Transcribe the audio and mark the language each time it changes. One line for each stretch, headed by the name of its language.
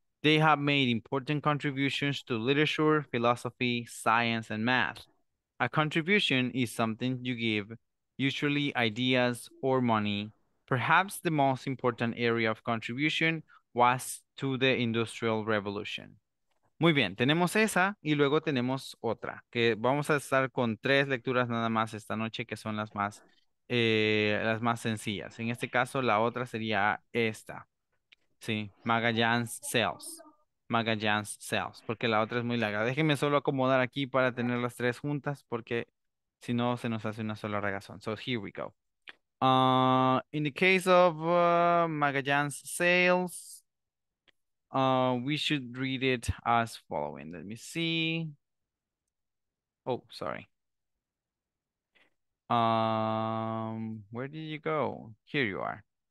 English: They have made important contributions to literature, philosophy, science, and math. A contribution is something you give, usually ideas or money. Perhaps the most important area of contribution was to the Industrial Revolution.
Spanish: Muy bien, tenemos esa y luego tenemos otra, que vamos a estar con tres lecturas nada más esta noche, que son las más sencillas. En este caso, la otra sería esta. Sí, Magallanes Sales. Magallanes Sales, porque la otra es muy larga. Déjenme solo acomodar aquí para tener las tres juntas, porque si no, se nos hace una sola regazón.
English: So, here we go. In the case of Magallanes Sales, we should read it as following. Let me see. Oh, sorry. Where did you go? Here you are.